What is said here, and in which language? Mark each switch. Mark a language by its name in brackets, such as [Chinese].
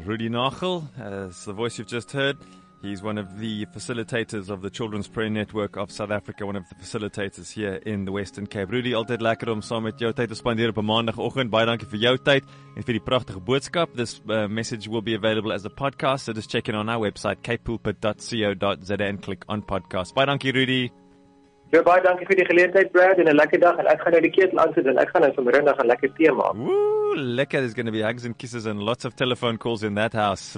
[English] Rudy Nagel, as the voice you've just heard, he's one of the facilitators of the Children's Prayer Network of South Africa, one of the facilitators here in the Western Cape. [Afrikaans] Rudy, altyd lekker om saam met jou tyd te spandeer op 'n maandagoggend. Baie dankie vir jou tyd en vir die pragtige boodskap. [English] This message will be available as a podcast, so just check in on our website, capepulpit.co.za, and click on podcast. [Afrikaans] Baie dankie, Rudy. Ja, baie dankie vir die geleentheid, Brad, en 'n lekker dag. En ek gaan nou die keet langs het, en ek gaan nou vir Rinda 'n lekker tee maak. Woo, lekker. [English] There's going to be hugs and kisses and lots of telephone calls in that house.